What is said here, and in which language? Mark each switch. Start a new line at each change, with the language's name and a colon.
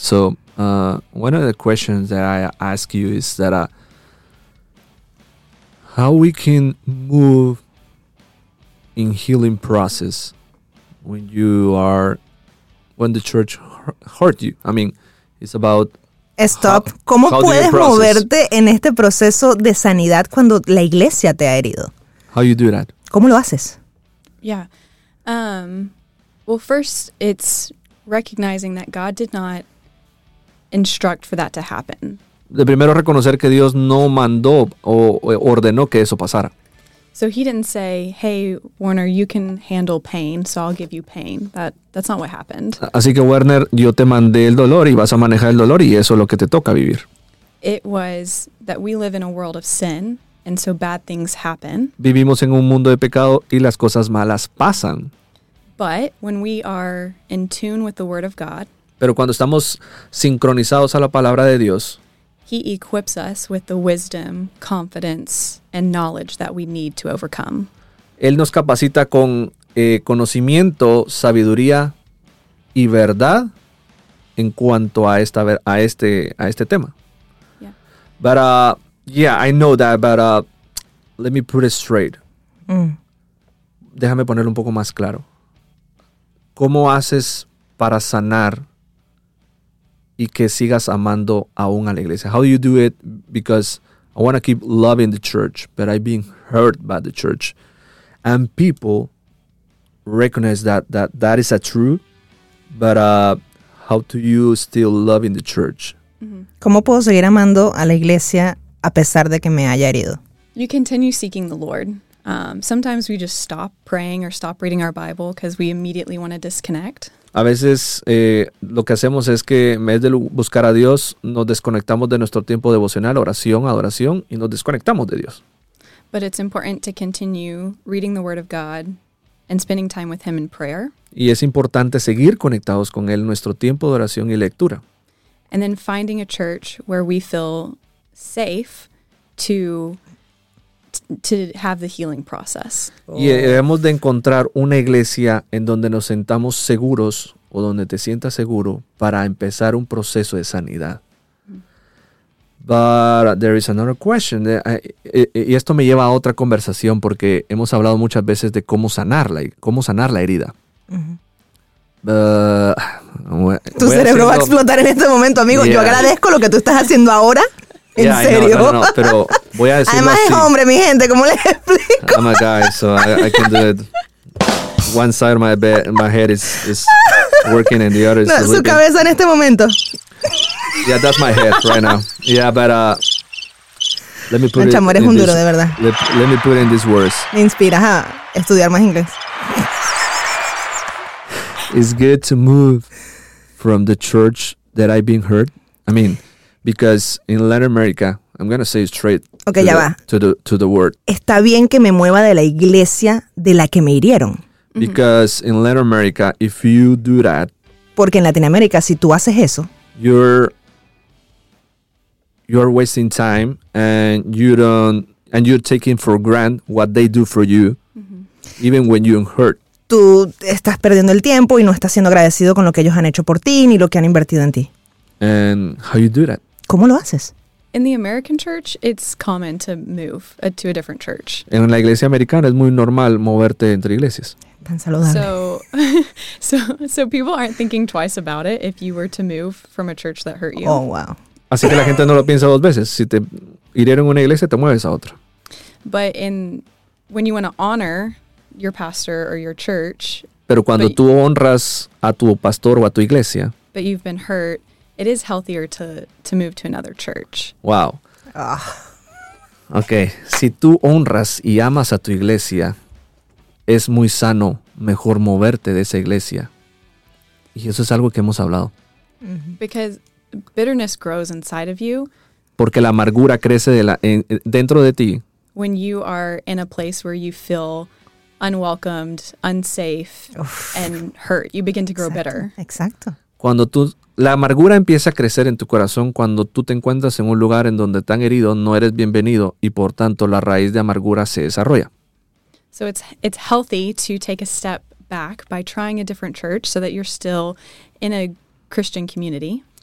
English: So one of the questions that I ask you is that how we can move in healing process when the church hurt you. I mean, it's about stop.
Spanish: ¿Cómo puedes moverte en este proceso de sanidad cuando la iglesia te ha herido?
English: How you do that?
Spanish: ¿Cómo lo haces?
English: Yeah. Well, first, it's recognizing that God did not instruct for that to happen.
Spanish: De primero reconocer que Dios no mandó o ordenó que eso pasara.
English: So he didn't say, "Hey, Warner, you can handle pain, so I'll give you pain." That's not what happened.
Spanish: Así que Warner, yo te mandé el dolor y vas a manejar el dolor y eso es lo que te toca vivir.
English: It was that we live in a world of sin. And so bad things happen.
Spanish: Vivimos en un mundo de pecado y las cosas malas pasan.
English: But when we are in tune with the word of God,
Spanish: pero cuando estamos sincronizados a la palabra de Dios,
English: he equips us with the wisdom, confidence, and knowledge that we need to overcome.
Spanish: Él nos capacita con conocimiento, sabiduría y verdad en cuanto a este tema.
English: Yeah. Yeah, I know that, but let me put it straight.
Spanish: Déjame ponerlo un poco más claro. ¿Cómo haces para sanar y que sigas amando aún a la iglesia?
English: How do you do it? Because I want to keep loving the church, but I've been hurt by the church. And people recognize that is a true, but how do you still love in the church? Mm-hmm.
Spanish: ¿Cómo puedo seguir amando a la iglesia a pesar de que me haya herido?
English: You continue seeking the Lord. Sometimes we just stop praying or stop reading our Bible because we immediately want to disconnect.
Spanish: A veces lo que hacemos es que en vez de buscar a Dios, nos desconectamos de nuestro tiempo devocional, oración, adoración, y nos desconectamos de Dios.
English: But it's important to continue reading the Word of God and spending time with Him in prayer.
Spanish: Y es importante seguir conectados con Él, nuestro tiempo de oración y lectura.
English: And then finding a church where we feel safe to to have the healing process.
Spanish: Oh. Y debemos de encontrar una iglesia en donde nos sentamos seguros o donde te sientas seguro para empezar un proceso de sanidad.
English: But there is another question.
Spanish: Y esto me lleva a otra conversación porque hemos hablado muchas veces de cómo sanar la herida. Tu cerebro va a explotar en este momento, amigo. Yeah. Yo agradezco lo que tú estás haciendo ahora. En serio. No, pero voy a decirlo además así. Además es hombre, mi gente. ¿Cómo les explico?
English: I'm a guy, so I can do it. One side of my head is working and the other is sleeping.
Spanish: No, su cabeza en este momento.
English: Yeah, that's my head right now. Yeah, but let me put
Spanish: el chamo,
English: it
Spanish: eres in un duro, this, de verdad.
English: Let me put it in these words.
Spanish: Me inspira a estudiar más inglés.
English: It's good to move from the church that I've been hurt. I mean, because in Latin America, I'm going to say it straight.
Spanish: Okay, ya
English: the,
Spanish: va.
English: To the word.
Spanish: Está bien que me mueva de la iglesia de la que me hirieron.
English: Because in Latin America, if you do that.
Spanish: Porque en Latinoamérica, si tú haces eso.
English: You're wasting time and you're taking for granted what they do for you, even when you're hurt.
Spanish: Tú estás perdiendo el tiempo y no estás siendo agradecido con lo que ellos han hecho por ti ni lo que han invertido en ti.
English: And how you do that?
Spanish: ¿Cómo lo haces?
English: In the American church, it's common to move to a different church.
Spanish: En la iglesia americana es muy normal moverte entre iglesias. Tan saludable.
English: So people aren't thinking twice about it if you were to move from a church that hurt you. Oh, wow.
Spanish: Así que la gente no lo piensa dos veces. Si te hirieron una iglesia, te mueves a otra.
English: But when you want to honor your pastor or your church.
Spanish: Pero cuando tú honras a tu pastor o a tu iglesia.
English: But you've been hurt. It is healthier to move to another church. Wow. Ugh. Okay.
Spanish: Si tú honras y amas a tu iglesia, es muy sano mejor moverte de esa iglesia. Y eso es algo que hemos hablado.
English: Because bitterness grows inside of you.
Spanish: Porque la amargura crece dentro de ti.
English: When you are in a place where you feel unwelcomed, unsafe, and hurt, you begin to grow bitter.
Spanish: Exacto. Cuando tú... La amargura empieza a crecer en tu corazón cuando tú te encuentras en un lugar en donde tan herido no eres bienvenido y por tanto la raíz de amargura se desarrolla.
English: So it's healthy to take a step back by trying a different church so that you're still in a Christian community.